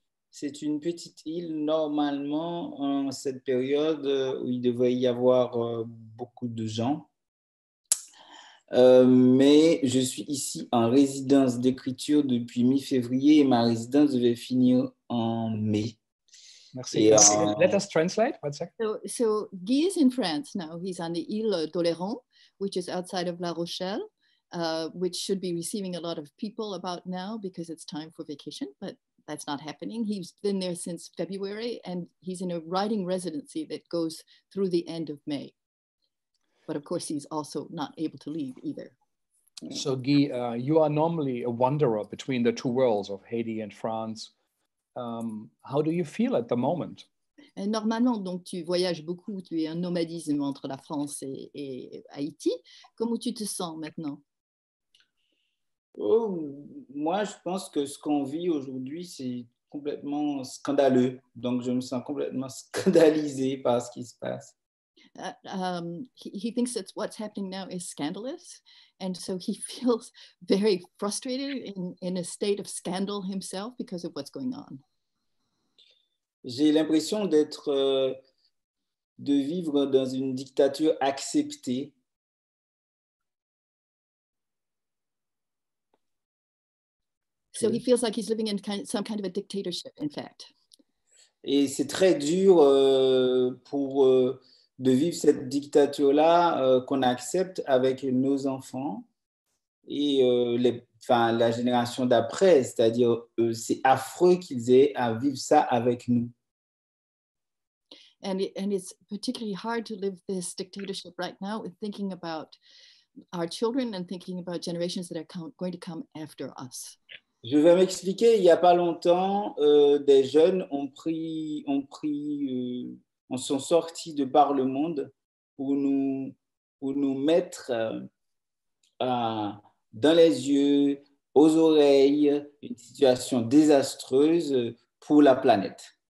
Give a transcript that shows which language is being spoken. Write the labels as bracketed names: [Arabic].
[French] C'est une petite île. Normalement, en cette période où il devrait y avoir beaucoup de gens. Mais je suis ici en résidence d'écriture depuis mi-février et ma résidence devait finir en mai. [English] Merci. Let us translate. One second. So Guy is in France now. He's on the Île d'Oléron, which is outside of La Rochelle, which should be receiving a lot of people about now because it's time for vacation, but that's not happening. He's been there since February and he's in a writing residency that goes through the end of May. But of course, he's also not able to leave either. So Guy, you are normally a wanderer between the two worlds of Haiti and France. How do you feel at the moment? [French] Et normalement, donc, tu voyages beaucoup, tu es un nomadisme entre la France et Haïti. Comment tu te sens maintenant? Oh, moi, je pense que ce qu'on vit aujourd'hui, c'est complètement scandaleux. Donc, je me sens complètement scandalisé par ce qui se passe. [English] He thinks that what's happening now is scandalous, and so he feels very frustrated in a state of scandal himself because of what's going on. [French] J'ai l'impression d'être de vivre dans une dictature acceptée. [English] So he feels like he's living in some kind of a dictatorship, in fact. [French] Et c'est très dur pour de vivre cette dictature-là qu'on accepte avec nos enfants et la génération d'après, c'est-à-dire c'est affreux qu'ils aient à vivre ça avec nous. [English] And it's particularly hard to live this dictatorship right now with thinking about our children and thinking about generations that are going to come after us. [French] Je vais m'expliquer, il n'y a pas longtemps, des jeunes on sont sortis de par le monde pour nous mettre dans les yeux, aux oreilles, une situation désastreuse pour la planète.